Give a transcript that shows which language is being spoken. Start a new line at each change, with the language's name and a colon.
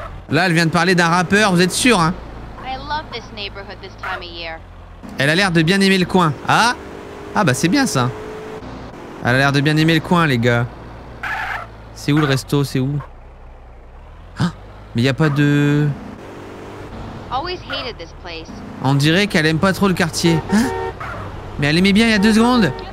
French: Là, elle vient de parler d'un rappeur, vous êtes sûr, hein?
English: I love this neighborhood this time of year.
French: Elle a l'air de bien aimer le coin. Ah? Ah bah c'est bien ça. Elle a l'air de bien aimer le coin, les gars. C'est où le resto? C'est où? Ah, mais y a pas de...
English: Always hated this place.
French: On dirait qu'elle aime pas trop le quartier. Hein? Mais elle aimait bien il y a deux secondes.